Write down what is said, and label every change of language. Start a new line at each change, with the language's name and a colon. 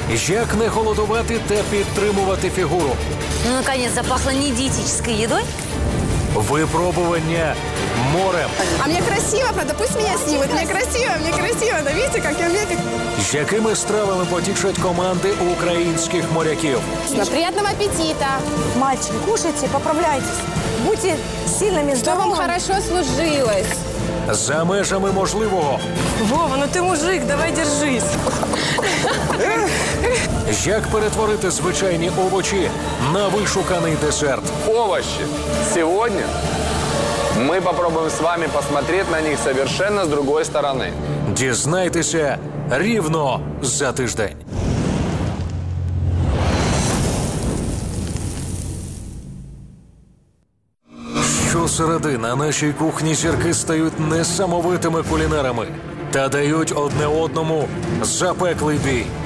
Ukrainian: Як не голодувати та підтримувати фігуру? Ну, наконець, запахло не дієтичною їдою. Випробування морем. А мені красиво, правда,
Russian: пусть
Ukrainian: мене знімуть. Мені красиво, да, бачите, як я м'яка. З якими стравами потішать команди українських моряків? Приємного апетиту.
Russian: Мальчики, кушайте, поправляйтесь.
Ukrainian: Будьте сильними,
Russian: здоровыми. Чтобы вам хорошо служилось.
Ukrainian: За межами можливого.
Russian: Вова, ну ты мужик, давай держись.
Ukrainian: Як перетворити звичайні овочі на вишуканий десерт?
Russian: Овощи. Сегодня мы попробуем с вами посмотреть на них совершенно с другой стороны.
Ukrainian: Дізнайтеся рівно за тиждень. Середи на нашій кухні зірки стають несамовитими кулінарами та дають одне одному запеклий бій.